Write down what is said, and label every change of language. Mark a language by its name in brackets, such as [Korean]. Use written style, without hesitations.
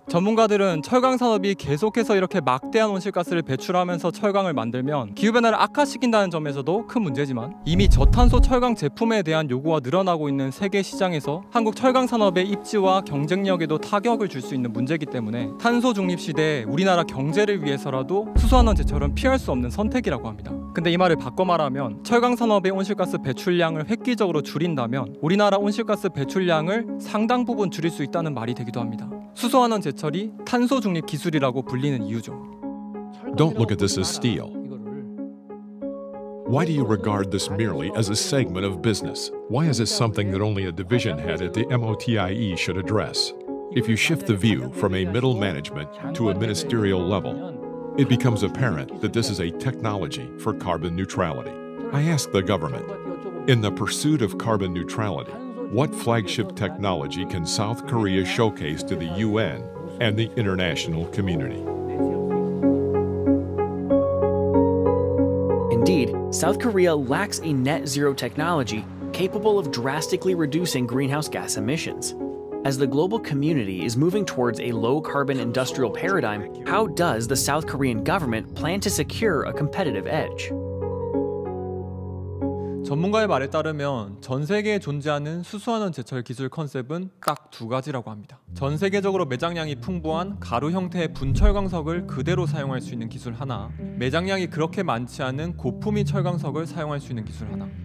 [Korean] 전문가들은 철강 산업이 계속해서 이렇게 막대한 온실가스를 배출하면서 철강을 만들면 기후변화를 악화시킨다는 점에서도 큰 문제지만 이미 저탄소 철강 제품에 대한 요구가 늘어나고 있는 세계 시장에서 한국 철강 산업의 입지와 경쟁력에도 타격을 줄 수 있는 문제이기 때문에 탄소 중립 시대에 우리나라 경제를 위해서라도 수소환원 제철은 피할 수 없는 선택이라고 합니다. 근데 이 말을 바꿔 말하면 철강 산업의 온실가스 배출량을 획기적으로 줄인다면 우리나라 온실가스 배출량을 상당 부분 줄일 수 있다는 말이 되기도 합니다. 수소환원 제철이 탄소 중립 기술이라고 불리는 이유죠. [English] Don't look at this as steel. Why do you regard this merely as a segment of business? Why is it something that only a division head at the MOTIE should address? If you shift the view from a middle management to a ministerial level, it becomes apparent that this is a technology for carbon neutrality. I ask the government, in the pursuit of carbon neutrality, what flagship technology can South Korea showcase to the UN and the international community? Indeed, South Korea lacks a net zero technology capable of drastically reducing greenhouse gas emissions. As the global community is moving towards a low-carbon industrial paradigm, how does the South Korean government plan to secure a competitive edge? [Korean] 전문가의 말에 따르면 전 세계에 존재하는 수소환원 제철 기술 컨셉은 딱 두 가지라고 합니다. 전 세계적으로 매장량이 풍부한 가루 형태의 분철광석을 그대로 사용할 수 있는 기술 하나, 매장량이 그렇게 많지 않은 고품위 철광석을 사용할 수 있는 기술 하나.